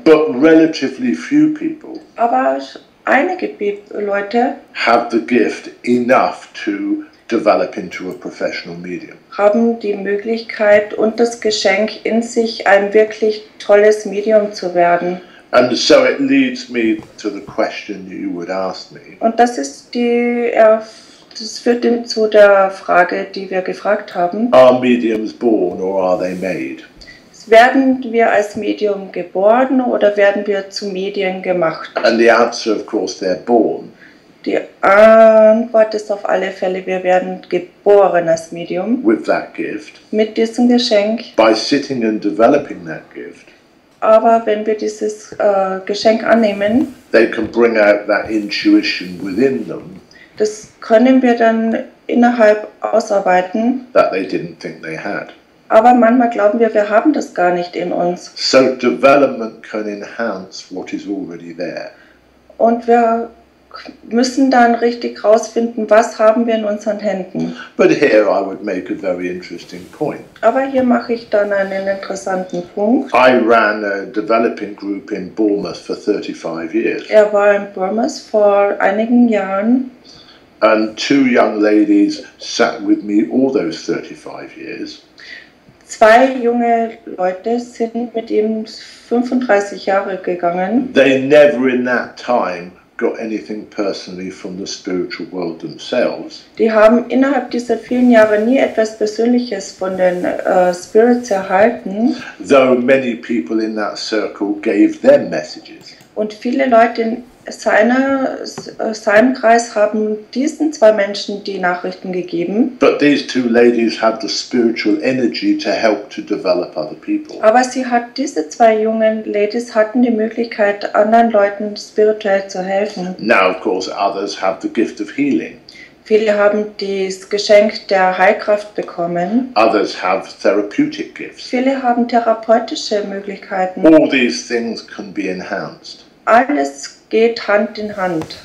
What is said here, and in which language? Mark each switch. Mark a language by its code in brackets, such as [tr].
[en] But relatively few people, [de] aber einige Leute, [en] have the gift enough to develop into a professional medium. [de] Haben die Möglichkeit und das Geschenk in sich, ein wirklich tolles Medium zu werden. [en] And so it leads me to the question you would ask me. [de] Und das ist die, das führt ihn zu der Frage, die wir gefragt haben. [en] Are mediums born or are they made? [de] Werden wir als Medium geboren oder werden wir zu Medien gemacht? [en] And the answer, of course, they're born. [de] Die Antwort ist auf alle Fälle, wir werden geboren als Medium. [en] With that gift. [de] Mit diesem Geschenk. [en] By sitting and developing that gift. [de] Aber wenn wir dieses Geschenk annehmen, [en] they can bring out that intuition within them. [de] Das können wir dann innerhalb ausarbeiten. [en] That they didn't think they had. [de] Aber manchmal glauben wir, wir haben das gar nicht in uns. [en] So development can enhance what is already there. [de] Und wir müssen dann richtig rausfinden, was haben wir in unseren Händen. [en] But here I would make a very interesting point. [de] Aber hier mache ich dann einen interessanten Punkt. [en] I ran a developing group in Bournemouth for 35 years. [de] Er war in Bournemouth vor einigen Jahren. [en] And two young ladies sat with me all those 35 years. [de] Zwei junge Leute sind mit ihm 35 Jahre gegangen. [en] They never in that time got anything personally from the spiritual world themselves. [de] Die haben innerhalb dieser vielen Jahre nie etwas Persönliches von den Spirits erhalten. [en] Though many people in that circle gave them messages. [de] Und viele Leute in seinem Kreis haben diesen zwei Menschen die Nachrichten gegeben. [en] But these two ladies had the spiritual energy to help to develop other people. [de] Aber diese zwei jungen Ladies hatten die Möglichkeit, anderen Leuten spirituell zu helfen. [en] Now of course others have the gift of healing. [de] Viele haben das Geschenk der Heilkraft bekommen. [en] Others have therapeutic gifts. [de] Viele haben therapeutische Möglichkeiten. [en] All these things can be enhanced. [de] Alles geht Hand in Hand.